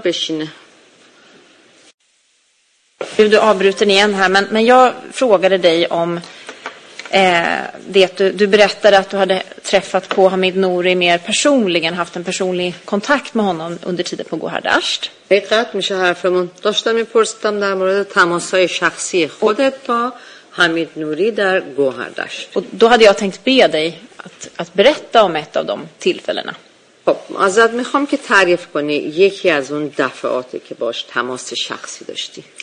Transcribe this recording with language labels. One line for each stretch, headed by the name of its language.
Swedish: bekymmer. Du avbryter igen här, men jag frågade dig om det du berättade att du hade träffat på Hamid Nouri mer personligen, haft en personlig kontakt med honom under tiden på Gohardasht.
Persian: Det میشه حرفمون داشتم پرسیدم در مورد تماس‌های شخصی خودت با حمید نوری در گوهردشت.
Swedish: Och då hade jag tänkt be dig att berätta om ett av de tillfällena.
Persian: ازت میخوام که تعریف کنی یکی از اون دفعاتی که باش تماس شخصی داشتی.